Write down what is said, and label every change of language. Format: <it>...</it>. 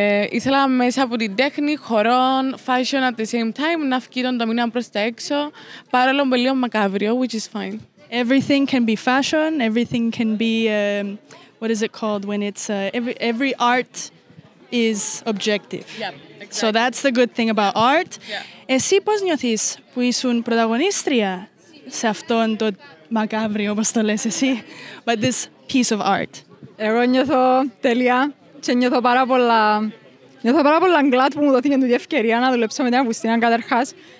<el>Ήθελα μέσα από την τέχνη, χορών,</el> <en>fashion at the same time</en> <el>να φκεί τον τομήνα προς τα έξω, παρόλο που είναι λίγο μακάβριο,</el> <en>which is fine. Everything can be fashion, everything can be, what is it called, when it's every art is objective. Yep, exactly. So that's the good thing about art. Yeah.</en> <el>Εσύ πώς νιώθεις που ήσουν πρωταγωνίστρια σε αυτόν το μακάβριο, όπως το λες εσύ,</el> <en>but this piece of art?</en> <el>Εγώ νιώθω τέλεια και νιώθω πάρα πολλά glad που μου δόθηκε την ευκαιρία να δουλέψω με την Αυγουστίνα καταρχάς.</el>